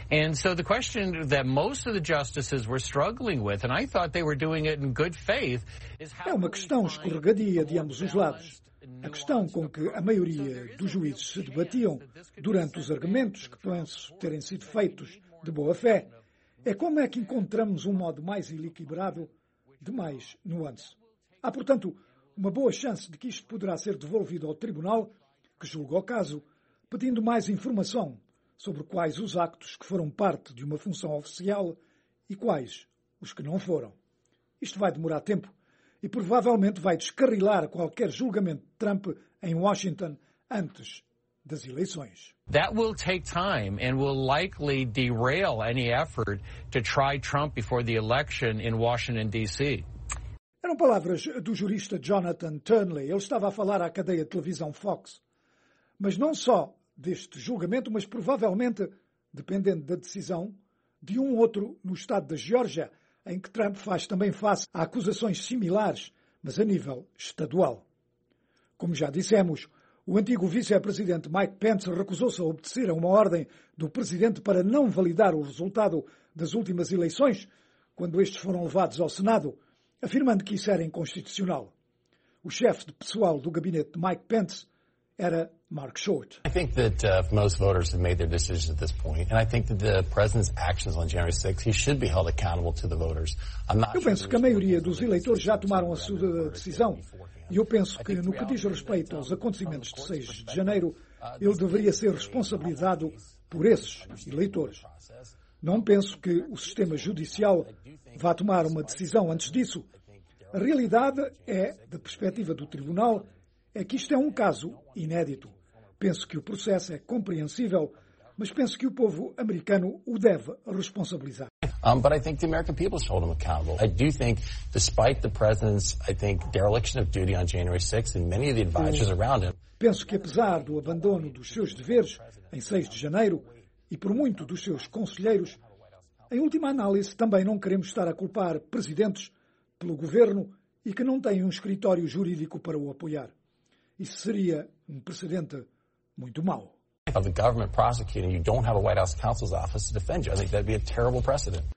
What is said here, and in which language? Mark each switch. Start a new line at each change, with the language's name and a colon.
English: And so the question that most of the justices were struggling with, and I thought they were doing it in good faith, is
Portuguese: how. É uma questão escorregadia de ambos os lados. A questão com que a maioria dos juízes se debatiam durante os argumentos que penso terem sido feitos de boa fé é como é que encontramos um modo mais equilibrado de mais nuance. Há, portanto, uma boa chance de que isto poderá ser devolvido ao tribunal que julga o caso, pedindo mais informação sobre quais os actos que foram parte de uma função oficial e quais os que não foram. Isto vai demorar tempo e provavelmente vai descarrilar qualquer julgamento de Trump em Washington antes das eleições.
English: That will take time and will likely derail any effort to try Trump before the election in Washington D.C.
Portuguese: Eram palavras do jurista Jonathan Turley. Ele estava a falar à cadeia de televisão Fox. Mas não só deste julgamento, mas provavelmente, dependendo da decisão, de um outro no estado da Geórgia, em que Trump faz também face a acusações similares, mas a nível estadual. Como já dissemos, o antigo vice-presidente Mike Pence recusou-se a obedecer a uma ordem do presidente para não validar o resultado das últimas eleições, quando estes foram levados ao Senado, afirmando que isso era inconstitucional. O chefe de pessoal do gabinete de Mike Pence era Mark Short.
English: I think that most voters have made their decisions at this point, and I think that the president's actions on January 6th, he should be held accountable to the voters.
Portuguese: Eu penso que a maioria dos eleitores já tomaram a sua decisão, e eu penso que no que diz respeito aos acontecimentos de 6 de janeiro, ele deveria ser responsabilizado por esses eleitores. Não penso que o sistema judicial vá tomar uma decisão antes disso. A realidade é, da perspectiva do tribunal, é que isto é um caso inédito. Penso que o processo é compreensível, mas penso que o povo americano o deve responsabilizar.
English: But I think the American people should hold him accountable. I do think, despite the president's, I think, dereliction of duty on January 6th and many of the advisors around him...
Portuguese: Penso que apesar do abandono dos seus deveres em 6 de janeiro e por muito dos seus conselheiros, em última análise também não queremos estar a culpar presidentes pelo governo e que não têm um escritório jurídico para o apoiar. Isso seria um precedente muito mau.
English: Of the government prosecuting, you don't have a White House counsel's office to defend you. I think that'd be a terrible precedent.